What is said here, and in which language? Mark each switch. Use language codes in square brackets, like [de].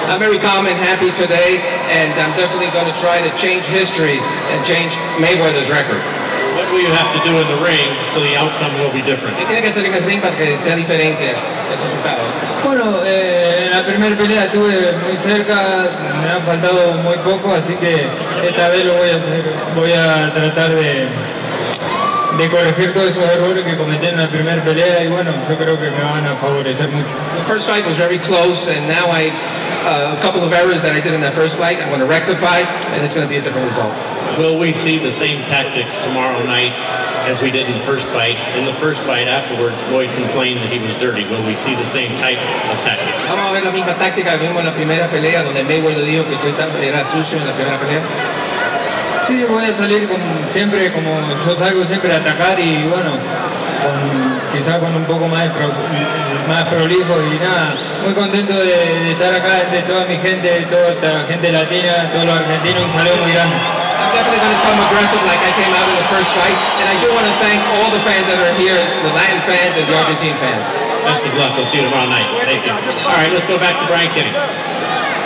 [en] I'm very calm and happy today, and I'm definitely going to try to change history and change Mayweather's record. What will you have to do in the ring so the outcome will be different? [es] ¿Qué tiene que hacer en el ring para que sea diferente el resultado? Bueno, en la primera pelea estuve muy cerca, me han faltado muy poco, así que esta vez lo voy a hacer. Voy a tratar de corregir todos esos errores que cometí en la primera pelea y bueno, yo creo que me van a favorecer mucho. [en] The first fight was very close and now I a couple of errors that I did in that first fight, I'm going to rectify and it's going to be a different result. Will we see the same tactics tomorrow night as we did in the first fight? In the first fight afterwards, Floyd complained that he was dirty. Will we see the same type of tactics? [es] Vamos a ver la misma táctica que vimos en la primera pelea donde Mayweather dijo que yo era sucio en la primera pelea. Sí, voy a salir como siempre, como yo salgo siempre a atacar y bueno, quizás con un poco más prolijo y nada. Muy contento de estar acá, de toda mi gente, de toda esta gente latina, todos los argentinos, un saludo muy grande. [en] I'm definitely going to come aggressive like I came out in the first fight, and I do want to thank all the fans that are here, the Latin fans and the Argentine fans. Best of luck. We'll see you tomorrow night. Thank you. All right, let's go back to Brian Kinney.